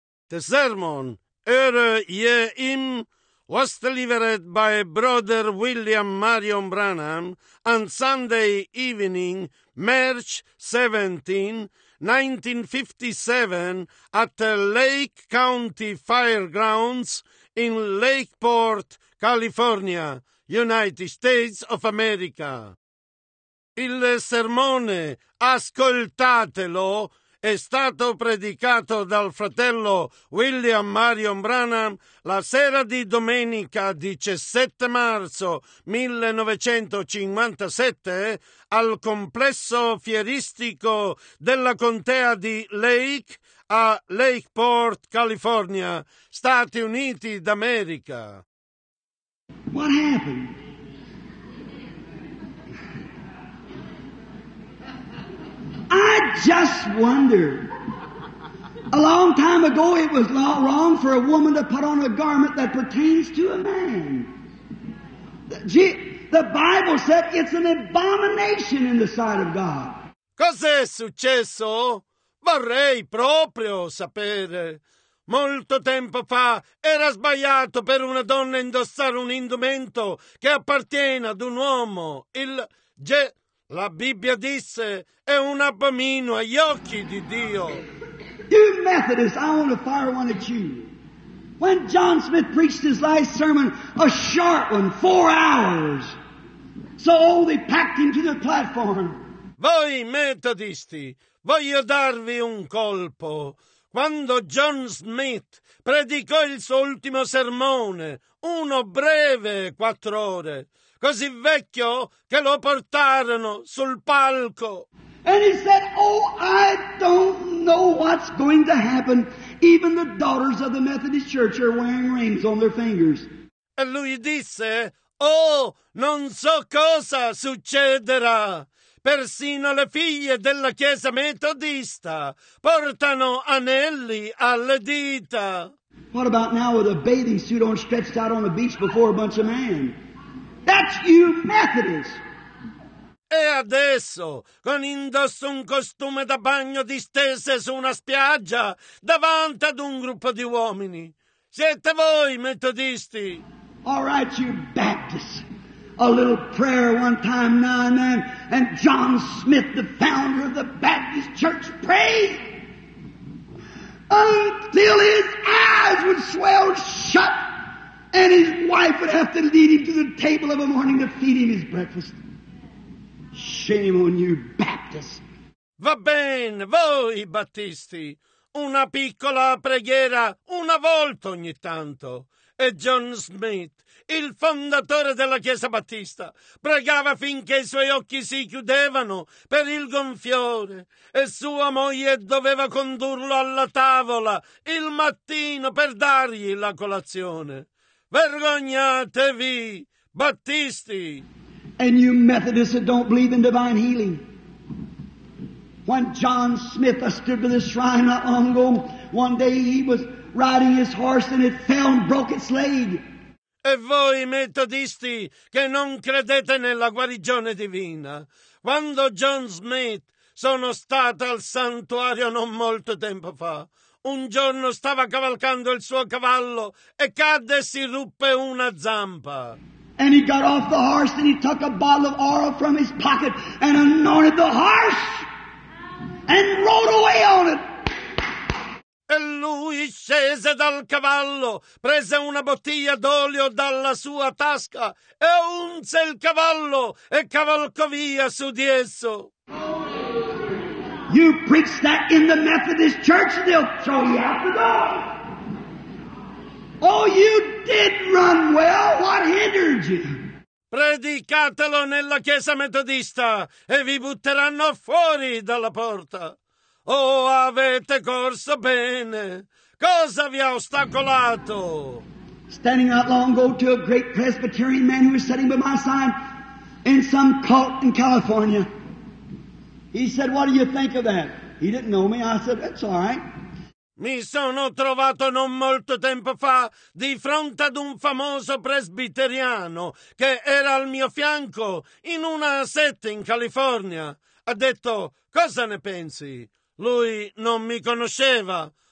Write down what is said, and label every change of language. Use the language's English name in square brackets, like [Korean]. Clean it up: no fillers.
[English] The sermon, Er Ye Im, was delivered by Brother William Marion Branham on Sunday evening, March 17, 1957, at the Lake County Firegrounds in Lakeport, California, United States of America. [Italian] Il sermone, ascoltatelo, è stato predicato dal fratello William Marion Branham la sera di domenica 17 marzo 1957 al complesso fieristico della contea di Lake a Lakeport, California, Stati Uniti d'America. [English] What happened? I just wonder. A long time ago, it was not wrong for a woman to put on a garment that pertains to a man. The Bible said it's an abomination in the sight of God. [Italian] Cos'è successo? Vorrei proprio sapere. Molto tempo fa era sbagliato per una donna indossare un indumento che appartiene ad un uomo. La Bibbia disse, è un abomino agli occhi di Dio. [English] You Methodists, I want to fire one at you. When John Smith preached his last sermon, a short one, 4 hours. So they packed him to the platform. [Italian] Voi metodisti, voglio darvi un colpo. Quando John Smith predicò il suo ultimo sermone, uno breve 4 ore, così vecchio che lo portarono sul palco. [English] And he said, oh, I don't know what's going to happen. Even the daughters of the Methodist Church are wearing rings on their fingers. [Italian] E lui disse, oh, non so cosa succederà. Persino le figlie della chiesa metodista portano anelli alle dita. [English] What about now with a bathing suit on stretched out on the beach before a bunch of men? That's you Methodist! [Italian] E adesso, con indosso un costume da bagno distese su una spiaggia davanti ad un gruppo di uomini. Siete voi metodisti! [English] All right, you Baptists! A little prayer one time now and then, and John Smith, the founder of the Baptist Church, prayed until his eyes would swell shut and his wife would have to lead him to the table of a morning to feed him his breakfast. Shame on you, Baptists. [Italian] Va bene, voi Battisti, una piccola preghiera una volta ogni tanto. E John Smith, il fondatore della Chiesa Battista, pregava finché i suoi occhi si chiudevano per il gonfiore e sua moglie doveva condurlo alla tavola il mattino per dargli la colazione. Vergognatevi, Battisti! [English] And you Methodists that don't believe in divine healing. When John Smith stood by the shrine not long ago, one day he was riding his horse and it fell and broke its leg. [Italian] E voi metodisti che non credete nella guarigione divina, quando John Smith sono stato al santuario non molto tempo fa, un giorno stava cavalcando il suo cavallo e cadde e si ruppe una zampa. [English] And he got off the horse and he took a bottle of oil from his pocket and anointed the horse and rode away on it. [Italian] E lui scese dal cavallo, prese una bottiglia d'olio dalla sua tasca e unse il cavallo e cavalcò via su di esso. [English] You preach that in the Methodist church, they'll throw you out the door. Oh, you did run well. What hindered you? [Italian] Predicatelo nella chiesa metodista e vi butteranno fuori dalla porta. Oh, avete corso bene. Cosa vi ha ostacolato? [English] Standing not long ago to a great Presbyterian man who was sitting by my side in some cult in California. He said, what do you think of that? He didn't know me. I said, that's all right. [Italian] Mi sono trovato non molto tempo fa di fronte ad un famoso presbiteriano che era al mio fianco in una setta in California. Ha detto, cosa ne pensi? Lui non mi conosceva.